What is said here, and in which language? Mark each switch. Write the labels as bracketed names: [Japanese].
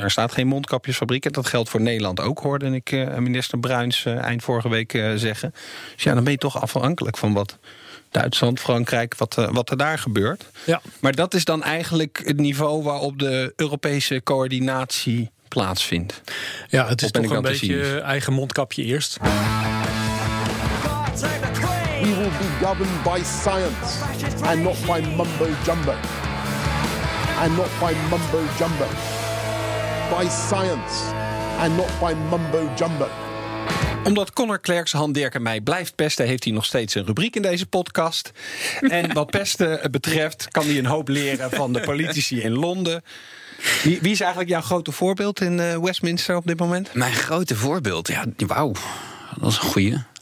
[Dutch] Er staat geen mondkapjesfabriek. En dat geldt voor Nederland ook, hoorde ik minister Bruins eind vorige week zeggen. Dus ja, dan ben je toch afhankelijk van wat Duitsland, Frankrijk, wat er daar gebeurt. Ja. Maar dat is dan eigenlijk het niveau waarop de Europese coördinatie plaatsvindt. Ja, het is toch een beetje zien? Eigen mondkapje eerst. [English] We will be governed by science and not by mumbo jumbo. And not by mumbo jumbo. By science and not by mumbo jumbo. [Dutch] Omdat Conor Clerks Han Dirk en mij blijft pesten, heeft hij nog steeds een rubriek in deze podcast. En wat pesten betreft, kan hij een hoop leren van de politici in Londen. Wie is eigenlijk jouw grote voorbeeld in Westminster op dit moment? Mijn grote voorbeeld, ja, wauw, dat is een goeie.